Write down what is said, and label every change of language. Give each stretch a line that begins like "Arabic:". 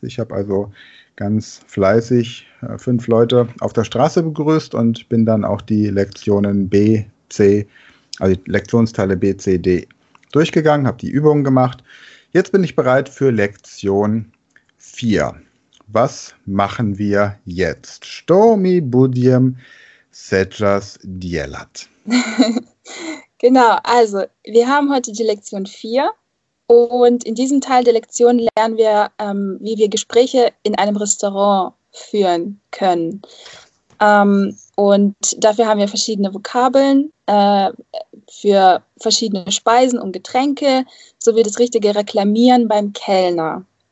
German: Ich habe also ganz fleißig 5 Leute auf der Straße begrüßt und bin dann auch die Lektionen B, C, also die Lektionsteile B, C, D durchgegangen, habe die Übungen gemacht. Jetzt bin ich bereit für Lektion 4. Was machen wir jetzt?
Russian: Что мы будем сейчас делать?
German: Genau, also wir haben heute die Lektion 4 und in diesem Teil der Lektion lernen wir, wie wir Gespräche in einem Restaurant führen können. Und dafür haben wir verschiedene Vokabeln für verschiedene Speisen und Getränke, sowie das richtige Reklamieren beim Kellner.